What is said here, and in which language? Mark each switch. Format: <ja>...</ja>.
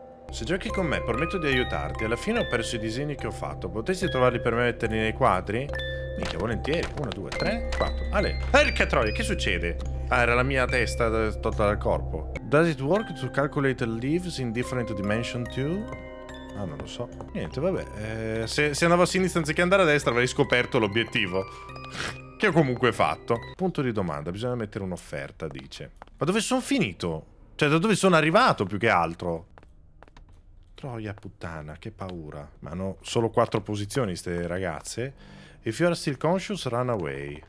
<it>Se giochi con me, prometto di aiutarti. Alla fine ho perso i disegni che ho fatto. Potresti trovarli per me e metterli nei quadri? Minchia, volentieri. 1, 2, 3, 4. Ale. Perché troia, che succede? Ah, era la mia testa tolta dal corpo.</it> <en>Does it work to calculate leaves in different dimension too?</en> <it>Ah, non lo so. Niente, vabbè. Se andavo a sinistra anziché andare a destra, avrei scoperto l'obiettivo. Che ho comunque fatto. Punto di domanda. Bisogna mettere un'offerta, dice. Ma dove sono finito? Cioè, da dove sono arrivato, più che altro? Troia puttana, che paura. Ma hanno solo 4 posizioni ste ragazze.</it> <en>If you are still conscious, run away.</en>